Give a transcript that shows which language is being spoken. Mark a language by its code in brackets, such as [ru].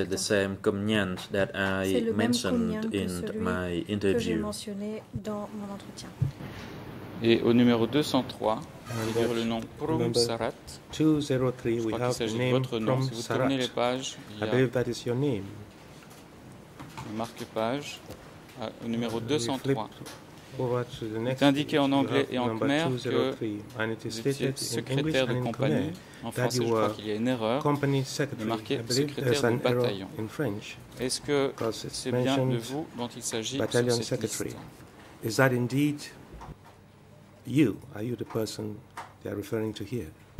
[en] is the same communiant that I mentioned in my interview. [fr] Que j'ai mentionné dans mon entretien. Et au numéro 203, il y a le nom Prum Sarat. 203, je crois qu'il s'agit de votre nom. Si vous tournez les pages, [en] I believe that is your name. [fr] Le marque-page au numéro 203. Il est indiqué en anglais et en khmer que vous étiez secrétaire de compagnie. En français, je crois qu'il y a une erreur. Il est marqué secrétaire de bataillon. Est-ce que c'est bien de vous dont il s'agit sur cette secretary. Liste? [en] Is that indeed you? Are you the person they are referring to here?